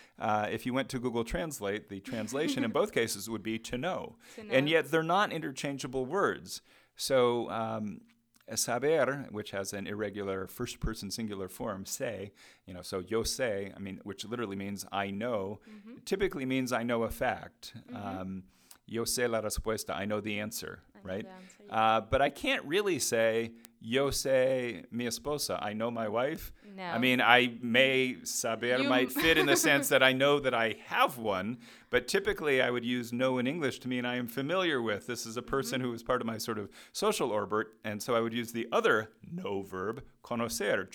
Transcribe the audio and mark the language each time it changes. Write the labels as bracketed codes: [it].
[en] If you went to Google Translate, the translation in both cases would be to know. And yet they're not interchangeable words. So saber, which has an irregular first-person singular form, se, you know, so [es] yo sé, [en] I mean, which literally means I know, mm-hmm. typically means I know a fact. Mm-hmm. [es] Yo sé la respuesta, [en] I know the answer. Right, but I can't really say [es] yo sé mi esposa. [en] I know my wife. No. I mean, I may saber might fit in the sense that I know that I have one. But typically, I would use know in English to mean I am familiar with. This is a person mm-hmm. who is part of my sort of social orbit, and so I would use the other know verb, conocer.